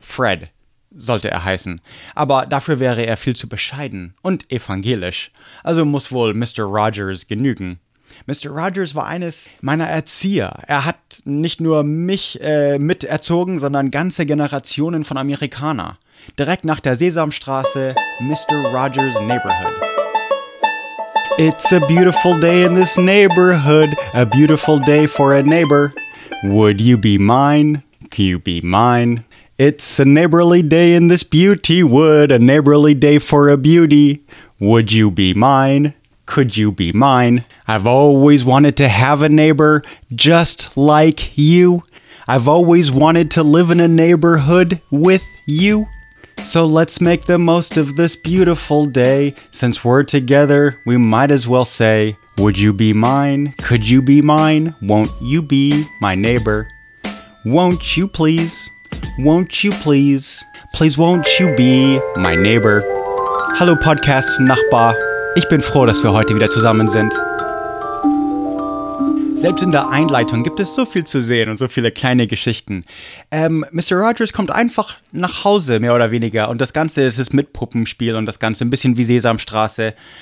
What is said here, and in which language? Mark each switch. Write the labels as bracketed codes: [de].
[de] Fred sollte er heißen. Aber dafür wäre er viel zu bescheiden und evangelisch. Also muss wohl Mr. Rogers genügen. Mr. Rogers war eines meiner Erzieher. Er hat nicht nur mich miterzogen, sondern ganze Generationen von Amerikanern. Direkt nach der Sesamstraße, Mr. [en] Rogers' Neighborhood. It's a beautiful day in this neighborhood. A beautiful day for a neighbor. Would you be mine? Can you be mine? It's a neighborly day in this beauty wood, a neighborly day for a beauty. Would you be mine? Could you be mine? I've always wanted to have a neighbor just like you. I've always wanted to live in a neighborhood with you. So let's make the most of this beautiful day. Since we're together, we might as well say, would you be mine? Could you be mine? Won't you be my neighbor? Won't you please? Won't you please, please won't you be my neighbor? [de] Hallo Podcast Nachbar, ich bin froh, dass wir heute wieder zusammen sind. Selbst in der Einleitung gibt es so viel zu sehen und so viele kleine Geschichten. Mr. Rogers kommt einfach nach Hause, mehr oder weniger, und das Ganze ist es mit Puppenspiel und das Ganze ein bisschen wie Sesamstraße.